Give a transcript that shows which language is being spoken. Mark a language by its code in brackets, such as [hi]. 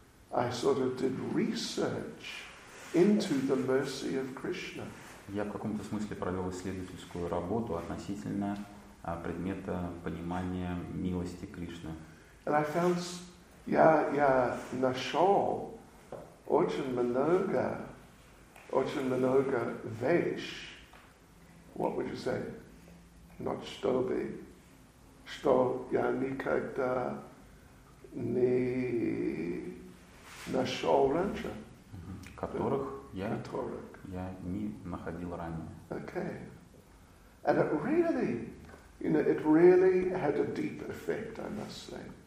[en] I sort of did research into the mercy of Krishna. [ru] Я в каком-то смысле провел исследовательскую работу относительно предмета понимания милости Кришны. [en] And I found, [ru] я нашел очень много вещь, [en] what would you say, not [ru] чтобы, что я никогда не нашел раньше. Которых я не находил ранее. [en] Okay. And it really, you know, it really had a deep effect, I must say.